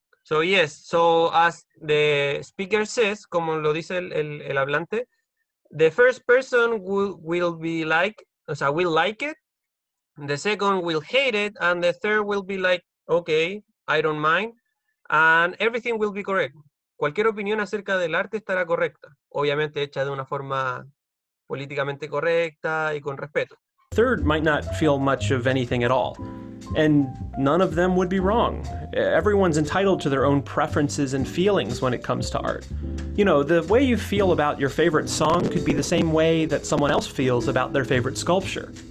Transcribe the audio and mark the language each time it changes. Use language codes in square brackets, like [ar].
[en] So yes, so as the speaker says, [es] como lo dice el hablante, [en] the first person will be like, [es] o sea, [en] will like it, the second will hate it, and the third will be like, okay, I don't mind, and everything will be correct. [es] Cualquier opinión acerca del arte estará correcta, obviamente hecha de una forma políticamente correcta y con respeto. [en] Third might not feel much of anything at all, and none of them would be wrong. Everyone's entitled to their own preferences and feelings when it comes to art. You know, the way you feel about your favorite song could be the same way that someone else feels about their favorite sculpture.